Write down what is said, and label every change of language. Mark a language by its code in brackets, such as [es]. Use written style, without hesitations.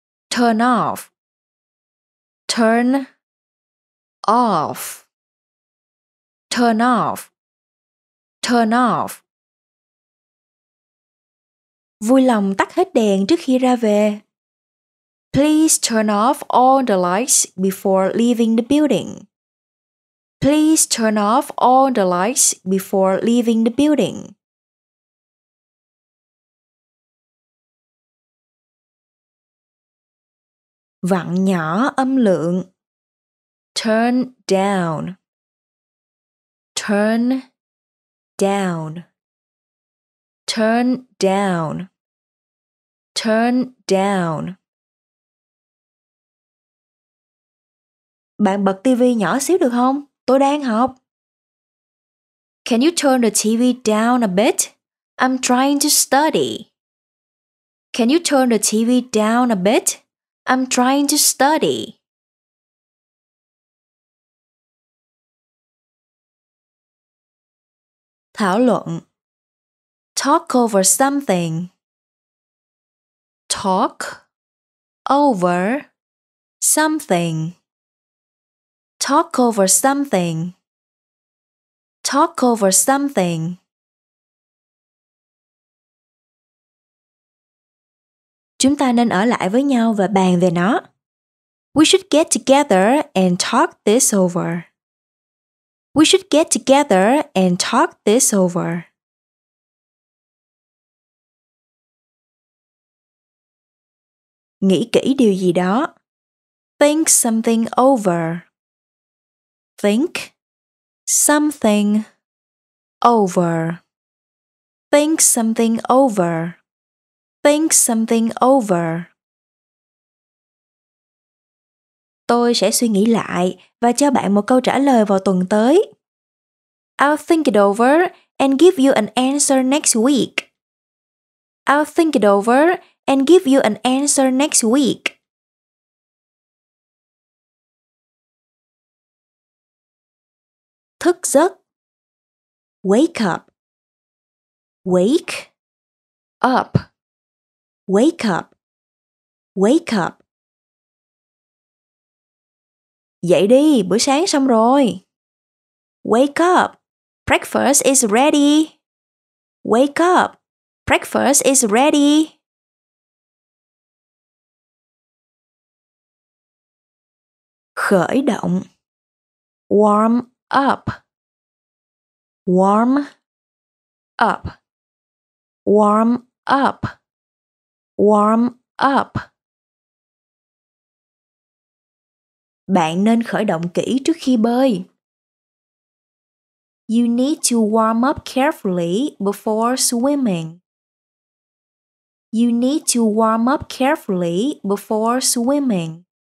[en] Turn off. Turn off. Turn off. Turn off. [vi] Vui lòng tắt hết đèn trước khi ra về. [en] Please turn off all the lights before leaving the building. Please turn off all the lights before leaving the building. [vi] Vặn nhỏ âm lượng. [en] Turn down. Turn down. Turn down. Turn down. [vi] Bạn bật tivi nhỏ xíu được không? Tôi đang học. [en] Can you turn the TV down a bit? I'm trying to study. Can you turn the TV down a bit? I'm trying to study. [vi] Thảo luận. [en] Talk over something. Talk over something. Talk over something. Talk over something. [vi] Chúng ta nên ở lại với nhau và bàn về nó. [en] We should get together and talk this over. We should get together and talk this over. [vi] Nghĩ kỹ điều gì đó. [en] Think something over. Think something over. Think something over. Think something over. [vi] Tôi sẽ suy nghĩ lại và cho bạn một câu trả lời vào tuần tới. [en] I'll think it over and give you an answer next week. I'll think it over and give you an answer next week. [vi] Thức giấc. [en] Wake up. Wake up. Wake up. Wake up. [vi] Dậy đi, bữa sáng xong rồi. [en] Wake up. Breakfast is ready. Wake up. Breakfast is ready. [vi] Khởi động. [en] Warm up. Warm up. Warm up. Warm up. [vi] Bạn nên khởi động kỹ trước khi bơi. [en] You need to warm up carefully before swimming. You need to warm up carefully before swimming.